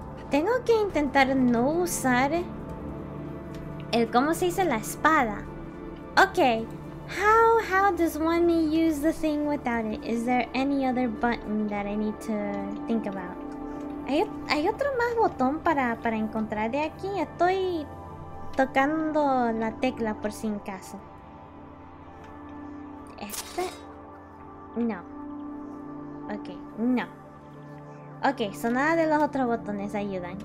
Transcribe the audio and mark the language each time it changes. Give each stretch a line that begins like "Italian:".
Spanish: Tengo que intentar no usar el, ¿cómo se dice? La espada. Okay.
English: How does one use the thing without it? Is there any other button that I need to think about?
Spanish: ¿Hay otro más botón para encontrar de aquí? Estoy tocando la tecla por si en caso. ¿Este? No. Okay, no. Okay, so nada de los otros botones ayudan.